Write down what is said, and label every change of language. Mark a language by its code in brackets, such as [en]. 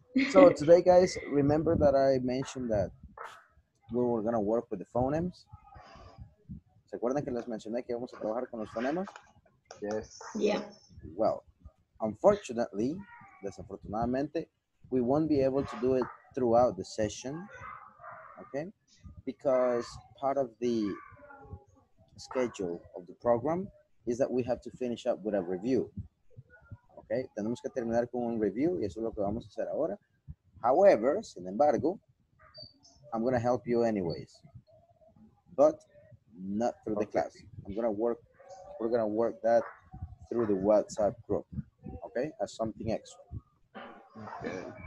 [en] So, today, guys, remember that I mentioned that we were going to work with the phonemes. [es] ¿Se acuerdan que les mencioné que vamos a trabajar con los fonemas? [en] Yes. Yeah. Well, unfortunately, [es] desafortunadamente, [en] we won't be able to do it throughout the session, okay? Because part of the schedule of the program is that we have to finish up with a review, okay? [es] Tenemos que terminar con un review y eso es lo que vamos a hacer ahora. [en] However, [es] sin embargo, [en] I'm gonna help you anyways, but not through the class. We're gonna work that through the WhatsApp group, okay? As something extra. Okay.